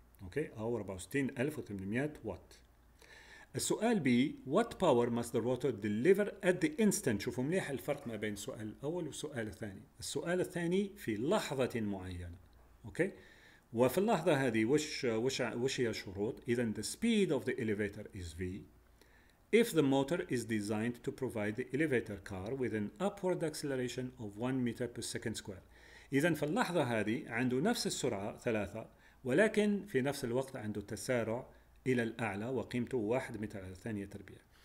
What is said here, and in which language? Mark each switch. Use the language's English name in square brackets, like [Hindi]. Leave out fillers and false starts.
[Arabic] أوكي؟ أو 64800 وات. السؤال B [English] What power must the rotor deliver at the instant؟ [Arabic] شوفوا مليح الفرق ما بين السؤال الأول والسؤال الثاني. السؤال الثاني في لحظة معينة. أوكي؟ وفي اللحظة هذه وش هي الشروط؟ إذن [English] the speed of the elevator is V. If the motor is designed to provide the elevator car with an upward acceleration of 1 meter per second square. [Arabic] إذن في اللحظة هذه عنده نفس السرعة 3 ولكن في نفس الوقت عنده تسارع إلى الأعلى وقيمته 1 متر على ثانية تربيع.